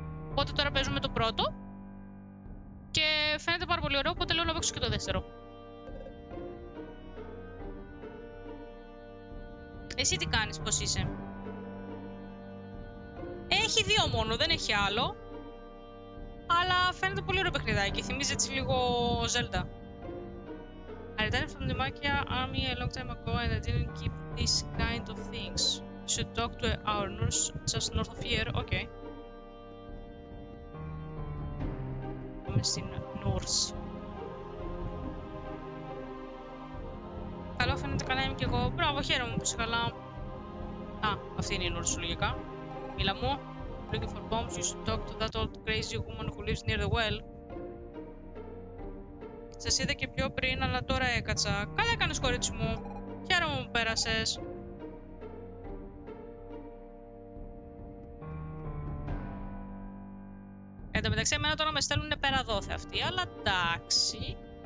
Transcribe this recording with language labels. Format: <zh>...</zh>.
<el>Οπότε τώρα παίζουμε το πρώτο και φαίνεται πάρα πολύ ωραίο, οπότε λέω να παίξω και το δεύτερο. Εσύ τι κάνεις, πώς είσαι? Έχει δύο μόνο, δεν έχει άλλο. Αλλά φαίνεται πολύ ωραίο παιχνιδάκι, θυμίζει έτσι λίγο Zelda.</el> <en>I returned from the Machia army a long time ago and I didn't keep this kind of things. You should talk to our nurse just north of here, okay.</en> <el>Πάμε στην nurse. Καλό, φαίνεται καλά είμαι κι εγώ. Μπράβο, χαίρομαι που είσαι καλά. Α, αυτή είναι η Νούρση λογικά. Μίλα μου.</el> <en>Looking for bombs, you should talk to that old crazy woman who lives near the well.</en> <el>Σας είδα και πιο πριν, αλλά τώρα έκατσα. Καλά κάνεις, κορίτσι μου. Χαίρομαι που πέρασες. Εν τω μεταξύ, εμένα τώρα με στέλνουνε πέρα δόθε αυτοί, αλλά εντάξει.</el>